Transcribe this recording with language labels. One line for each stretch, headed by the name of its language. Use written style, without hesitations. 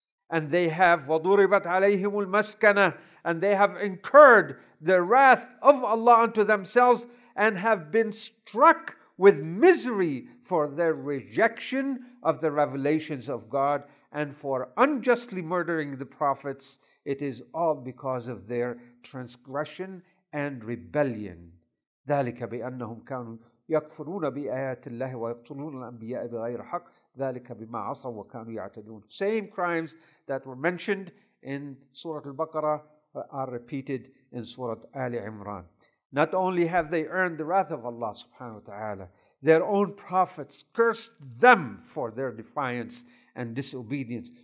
English: And they have
Arabic: وَضُرِبَتْ عَلَيْهِمُ الْمَسْكَنَةِ,
English: and they have incurred the wrath of Allah unto themselves and have been struck with misery for their rejection of the revelations of God and for unjustly murdering the prophets. It is all because of their transgression and rebellion.
Arabic: ذلك بأنهم كانوا يكفرون بآيات الله ويقتلون الأنبياء بغير حق ذلك بما عصوا وكانوا يعتدون.
English: Same crimes that were mentioned in Surah Al-Baqarah are repeated in Surah Ali Imran. Not only have they earned the wrath of Allah subhanahu wa ta'ala, their own prophets cursed them for their defiance and disobedience.